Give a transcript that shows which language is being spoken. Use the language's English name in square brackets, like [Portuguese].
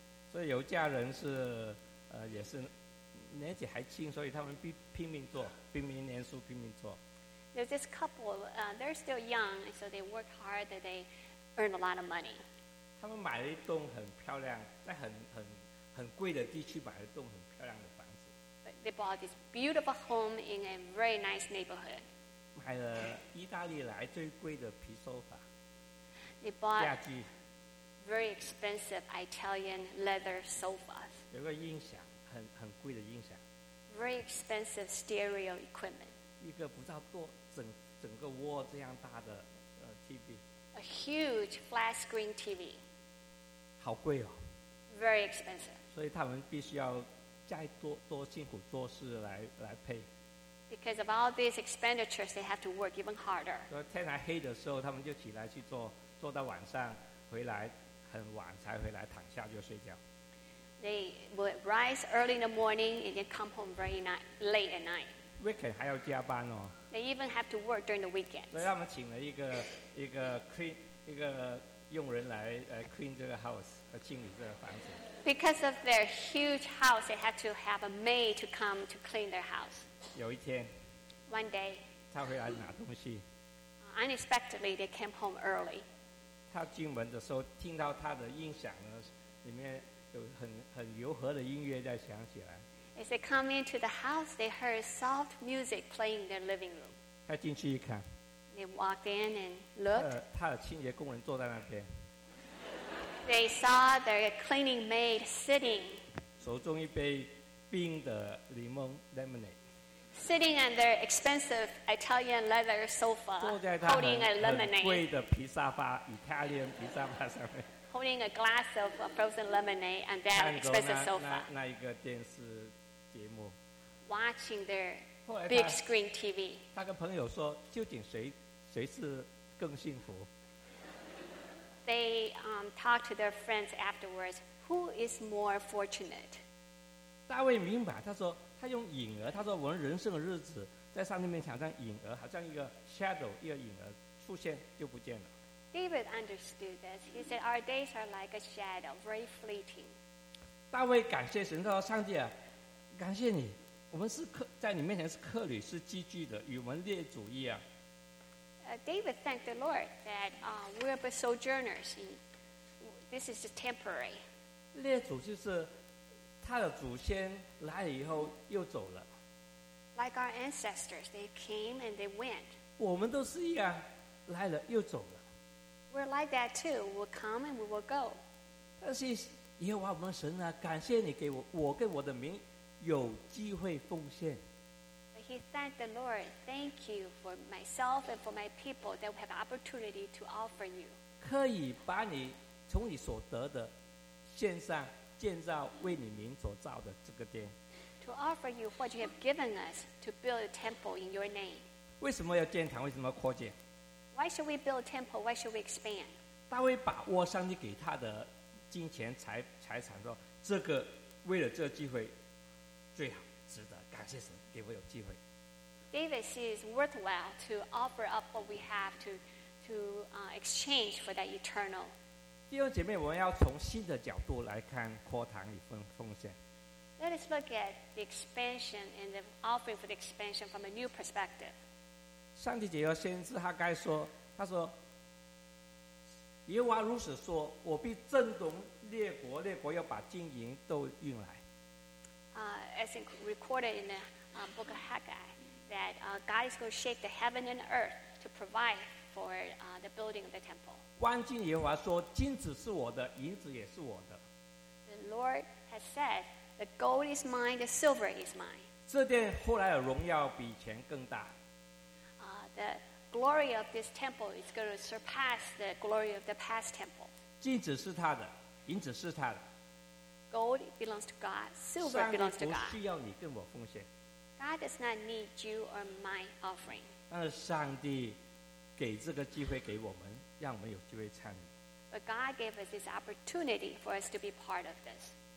[Chinese] 所以有家人是也是年纪还轻，所以他们拼命做，拼命念书，拼命做。 [English] There's this couple, they're still young, so they work hard, that they earn a lot of money. [Chinese] 他们买了一栋很漂亮，在很贵的地区买了一栋很漂亮的房子。 [English] They bought this beautiful home in a very nice neighborhood. [Chinese] 买了意大利来最贵的皮沙发。 [English] They bought very expensive Italian leather sofas. [Chinese] 有个音响，很贵的音响。 [English] Very expensive stereo equipment. [Chinese] 一个不知道多整个窝这样大的TV， [English] a huge flat screen TV， [Chinese] 好贵哦， [English] very expensive， [Chinese] 所以他们必须要再多辛苦做事来 pay， [English] because of all these expenditures they have to work even harder， [Chinese] 所以天还黑的时候他们就起来去做，做到晚上回来很晚才回来躺下就睡觉。 [English] They would rise early in the morning and then come home very late at night [Chinese] weekend 还要加班哦。 [English] They even have to work during the weekends. [Chinese] 所以他们请了一个 clean 一个佣人来clean 这个 house 和清理这个房子。 [English] Because of their huge house, they had to have a maid to come to clean their house. [Chinese] 有一天 [English] ，One day， [Chinese] 他回来拿东西。 [English] Unexpectedly, they came home early. [Chinese] 他进门的时候，听到他的音响呢，里面有很柔和的音乐在响起来。 [English] As they come into the house, they heard soft music playing in their living room. [Chinese] 他进去一看， [English] they walked in and looked. [Chinese] 他的清洁工人坐在那边。 [English] They saw their cleaning maid sitting. [Chinese] 手中一杯冰的柠檬 lemonade. [English] Sitting on their expensive Italian leather sofa, [Chinese] 坐在 [English] 他 holding a lemonade. [Chinese] 很贵的皮沙发 ，Italian 皮沙发上面。 [English] Holding a glass of frozen lemonade on that expensive sofa. [Chinese] 那一个电视节目。 [English] Watching their big screen TV. [Chinese] 他跟朋友说，究竟谁是更幸福 [English] ？They talk to their friends afterwards. Who is more fortunate? [Chinese] 大卫明白，他说他用影儿，他说我们人生的日子在上帝面前像影儿，好像一个 shadow， 一个影儿出现就不见了。 [English] David understood this. He said, "Our days are like a shadow, very fleeting." [Chinese] 大卫感谢神，他说：“上帝啊，感谢你，我们是客，在你面前是客旅，是寄居的，与我们列祖一样。” [English] David thanked the Lord that we are but sojourners. This is just temporary. [Chinese] 列祖就是他的祖先来了以后又走了。 [English] Like our ancestors, they came and they went. [Chinese] 我们都是一样，来了又走了。 [English] We're like that too. We'll come and we will go. [Chinese] 但是耶和华我们神啊，感谢你给我跟我的民有机会奉献。 [English] But he thanked the Lord. Thank you for myself and for my people that we have opportunity to offer you. [Chinese] 可以把你从你所得的献上，建造为你民所造的这个殿。 [English] To offer you what you have given us to build a temple in your name. [Chinese] 为什么要建堂？为什么要扩建？ [English] Why should we build a temple? Why should we expand? [Chinese] 大卫把握上帝给他的金钱财产说，这个为了这个机会最好值得，感谢神给我有机会。 [English] David sees worthwhile to offer up what we have to exchange for that eternal. [Chinese] 弟兄姐妹，我们要从新的角度来看扩堂与奉献。 [English] Let us look at the expansion and the offering for the expansion from a new perspective. [Chinese] 上帝借着先知哈该说，他说：“耶和华如此说，我必震动列国，列国要把金银都运来。” [English] as recorded in the book of Haggai, that God is going to shake the heaven and earth to provide for the building of the temple. [Chinese] 万军耶和华说, 金子是我的, 银子也是我的。 [English] The Lord has said, the gold is mine, the silver is mine. [Chinese] 这殿后来的荣耀比以前更大。 [English] The glory of this temple is going to surpass the glory of the past temple. [Chinese] 金子是他的, 银子是他的。 [English] Gold belongs to God, silver belongs to God. [Chinese] 上帝不需要你跟我奉献。 [English] God does not need you or my offering. [Chinese] 但是上帝 给这个机会给我们, 让我们有机会参与。 [English] But God gave us this opportunity for us to be part of this.